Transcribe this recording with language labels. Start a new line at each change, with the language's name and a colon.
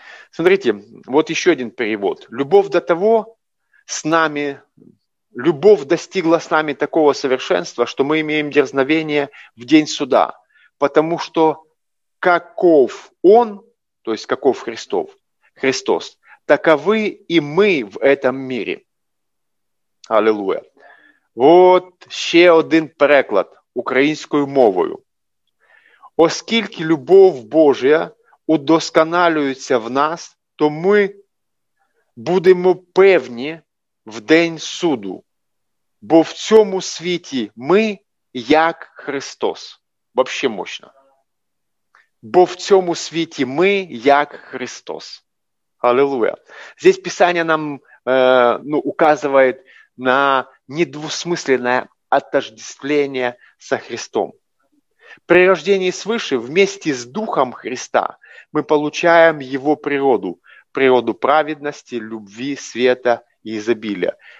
Russian: Смотрите, вот еще один перевод. Любовь до того с нами, любовь достигла с нами такого совершенства, что мы имеем дерзновение в день суда, потому что каков Он, то есть каков Христов, Христос, таковы и мы в этом мире. Аллилуйя.
Ukrainian: Вот ще один переклад українською мовою. Оскільки любов Божа удосконалюється в нас, то ми будемо певні в день суду, бо в цьому світі ми як Христос.
Russian: Вообще мощно.
Ukrainian: Бо в цьому світі ми як Христос.
Russian: Аллилуйя. Здесь Писание нам указывает на недвусмысленное отождествление со Христом. При рождении свыше вместе с Духом Христа мы получаем Его природу, природу праведности, любви, света и изобилия.